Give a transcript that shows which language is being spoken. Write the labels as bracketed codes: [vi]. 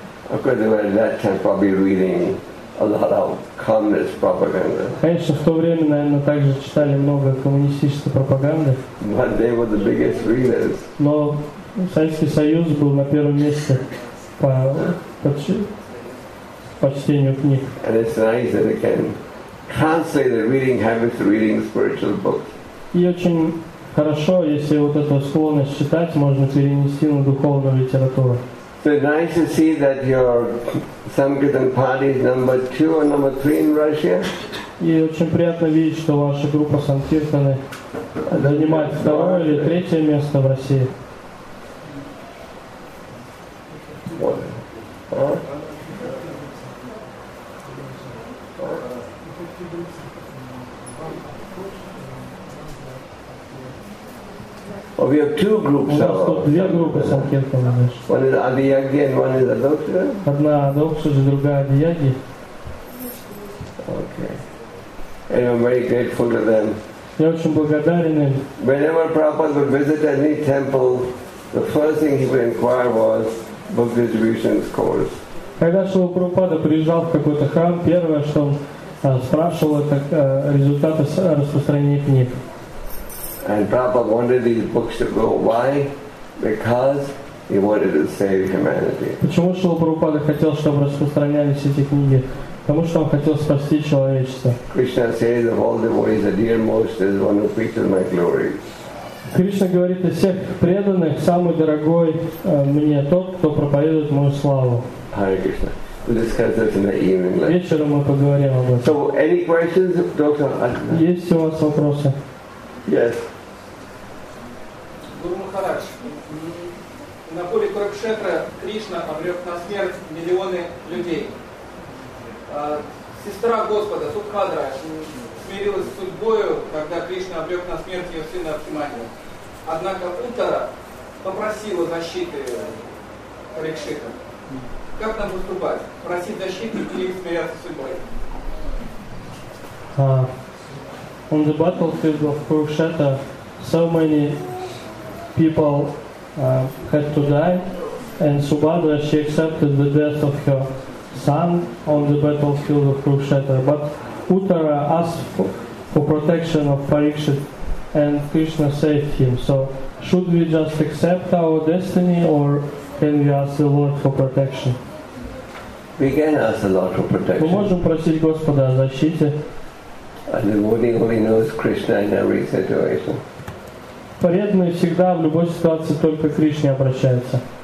[en] Of course, they were at that time probably reading a lot of communist propaganda. [ru] Конечно, в то время, наверное, также читали много коммунистической пропаганды. [en] But they were the biggest readers. [ru] Но Советский Союз был на первом месте по чтению книг. [en] And it's nice that they can translate their reading habits to reading spiritual books. [ru] И очень хорошо, если вот эту склонность читать можно перенести на духовную литературу. [en] So nice to see that your Sankirtan party is number 2 or number 3 in Russia. [ru] И очень приятно видеть, что ваша группа Санкиртаны занимает второе или третье место в России. [en] What? We have two groups. [ru] У нас тут две группы санкиртаны. [en] One is Adiyagi and one is Adoksha. [ru] Одна Адокша, другая Адиаги. [en] Okay. And I'm very grateful to them. [ru] Я очень благодарен им. [en] Whenever Prabhupada would visit any temple, the first thing he would inquire was book distribution course. [ru] Когда Шрила Прабхупада приезжал в какой-то храм, первое, что он спрашивал, это результаты распространения книг. [en] And Prabhupada wanted these books to go. Why? Because he wanted to save humanity. [ru] Почему Шрила Прабхупада хотел, чтобы распространялись эти книги? Потому что он хотел спасти человечество. [en] Krishna says of all devotees, the dearmost is one who preaches my glory. [ru] Кришна говорит, из всех преданных самый дорогой мне тот, кто проповедует мою славу. [en] Hare Krishna. discuss this in the evening. [ru] Вечером мы поговорим об этом. [en] So, any questions, Dr. Atna? [ru] Есть у вас вопросы? [en] Yes. [ru] Гуру Махарадж, на поле Курукшетра Кришна обрек на смерть миллионы людей. Сестра Господа, Субхадра, смирилась с судьбою, когда Кришна обрек на смерть ее сына Абхиманью. Однако Утара попросила защиты Парикшита. Как нам поступать? Просить защиты или смиряться с судьбой? [en] On the battlefield of Kurukshetra, so many people had to die, and Subhadra, she accepted the death of her son on the battlefield of Kurukshetra. But Uttara asked for protection of Parikshit, and Krishna saved him. So should we just accept our destiny, or can we ask the Lord for protection? We can ask the Lord for protection. [ru] Мы можем просить Господа о защите. [en] A devotee only knows Krishna in every situation. [ru] Преданный всегда в любой ситуации только к Кришне обращается.